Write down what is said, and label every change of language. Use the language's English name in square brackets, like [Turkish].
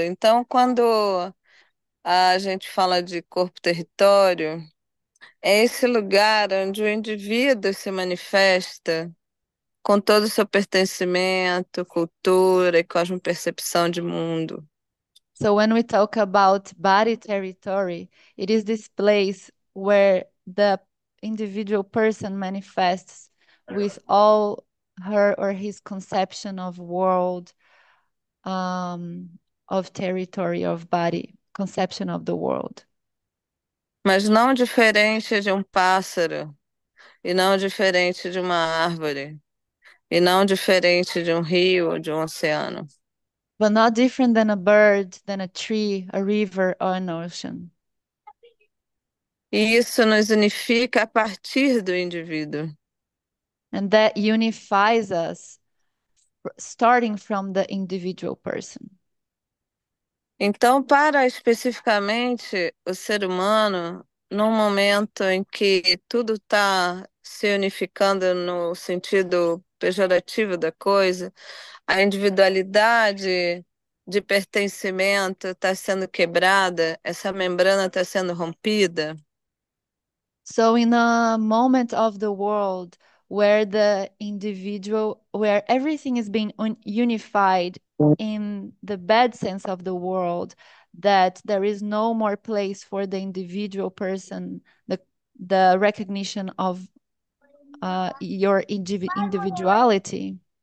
[Portuguese] Então, quando a gente fala de corpo-território, é esse lugar onde o indivíduo se manifesta com todo o seu pertencimento, cultura e cosmo-percepção de mundo. [English] So when we talk about body territory, it is this place where the individual person manifests with all her or his conception of world, of territory, of body, conception of the world. [Portuguese] Mas não diferente de um pássaro, e não diferente de uma árvore, e não diferente de um rio ou de um oceano. [English] But not different than a bird, than a tree, a river or an ocean. [Portuguese] E isso nos unifica a partir do indivíduo. [English] And that unifies us, starting from the individual person. [Portuguese] Então, para especificamente o ser humano, num momento em que tudo está se unificando no sentido pejorativo da coisa, a individualidade de pertencimento está sendo quebrada, essa membrana está sendo rompida. [English] So, in a moment of the world where the individual, where everything is being unified in the bad sense of the world, that there is no more place for the individual person, the recognition of your individuality.